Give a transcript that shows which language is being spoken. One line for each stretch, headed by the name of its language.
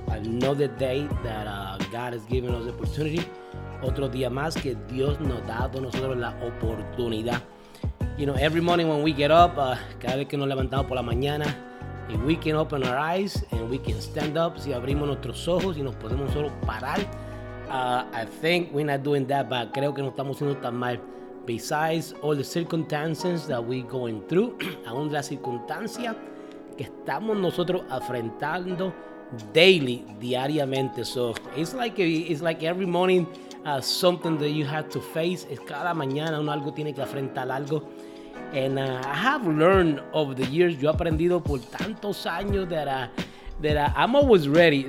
English: Another day that God has given us the opportunity.
Spanish: Otro día más que Dios nos ha dado a nosotros la oportunidad.
English: You know, every morning when we get up,
Spanish: cada vez que nos levantamos por la mañana,
English: if we can open our eyes and we can stand up,
Spanish: si abrimos nuestros ojos y nos podemos solo parar,
English: I think we're not doing that, but
Spanish: creo que no estamos haciendo tan mal.
English: Besides all the circumstances that we're going through,
Spanish: aún de las circunstancias que estamos nosotros afrentando
English: daily,
Spanish: diariamente.
English: So it's like every morning something that you have to face.
Spanish: Es cada mañana uno algo tiene que afrontar algo.
English: And I have learned over the years, yo he aprendido por tantos años that I'm always ready.